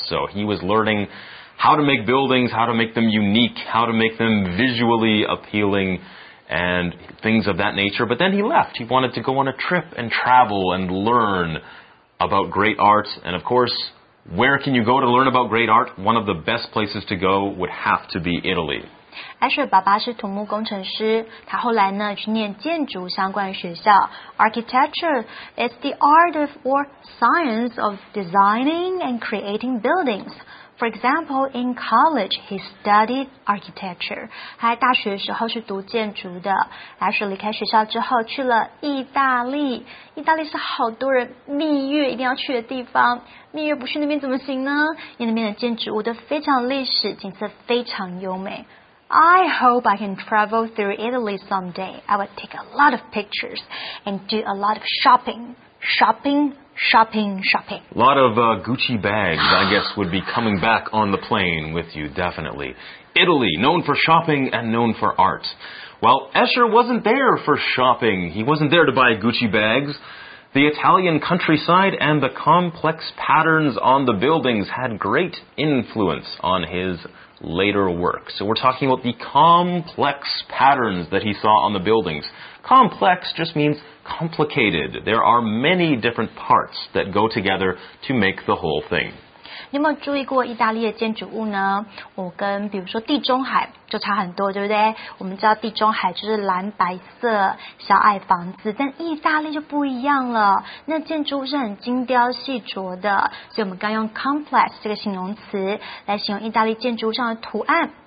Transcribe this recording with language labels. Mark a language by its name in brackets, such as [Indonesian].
[English] So he was learning how to make buildings, how to make them unique, how to make them visually appealing, and things of that nature. But then he left. He wanted to go on a trip and travel and learn about great art. And of course, where can you go to learn about great art? One of the best places to go would have to be Italy. [Chinese] Asher 爸爸是土木工程师，他后来呢去念建筑相关学校。 [English] Architecture is the art of or science of designing and creating buildings. For example, in college, he studied architecture. [Chinese] 他在大学的时候是读建筑的。Asher 离开学校之后去了意大利。意大利是好多人蜜月一定要去的地方。蜜月不去那边怎么行呢？因为那边的建筑物都非常历史，景色非常优美。 [English] I hope I can travel through Italy someday. I would take a lot of pictures and do a lot of shopping. Shopping. A lot of Gucci bags, I guess, would be coming back on the plane with you, definitely. Italy, known for shopping and known for art. Well, Escher wasn't there for shopping. He wasn't there to buy Gucci bags. The Italian countryside and the complex patterns on the buildings had great influence on his later work. So we're talking about the complex patterns that he saw on the buildings. Complex just means complicated. There are many different parts that go together to make the whole thing. [Chinese] 你有没有注意过意大利的建筑物呢？我跟比如说地中海就差很多，对不对？我们知道地中海就是蓝白色小矮房子，但意大利就不一样了。那建筑物是很精雕细琢的，所以我们刚用 complex 这个形容词来形容意大利建筑物上的图案。